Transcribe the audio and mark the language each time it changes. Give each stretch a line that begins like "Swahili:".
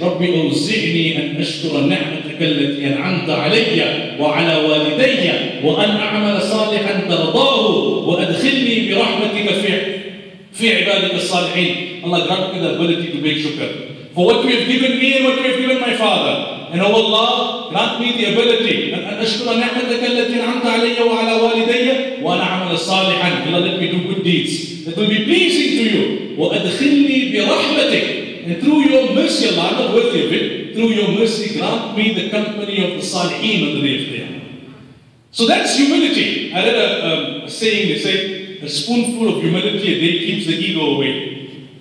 Arabic: رَبِّ أَوْزِعْنِي أَنْ أَشْكُرَ نِعْمَتَكَ الَّتِي أَنْعَمْتَ عَلَيَّ وَعَلَى وَالِدَيَّ وَأَنْ أَعْمَلَ صَالِحًا تَرْضَاهُ وَأَدْخِلْنِي بِرَحْمَتِكَ فِي عِبَادِكَ الصَّالِحِينَ.
English: Allah, grant me the ability to make shukr for what you have given me and what you have given my father. And oh Allah, grant me the ability. And
Arabic: أشكر نعمتك التي أنعمت علي وعلى والدي وأنا أعمل صالحا.
English: Allah, let me do good deeds. It will be pleasing to you.
Arabic: وأدخلني برحمتك.
English: And through your mercy, Allah, I'm not worthy of it. Through your mercy, grant me the company of the Salihin on the day of Qiyamah. So that's humility. I read a saying, they say, a spoonful of humility a day keeps the ego away.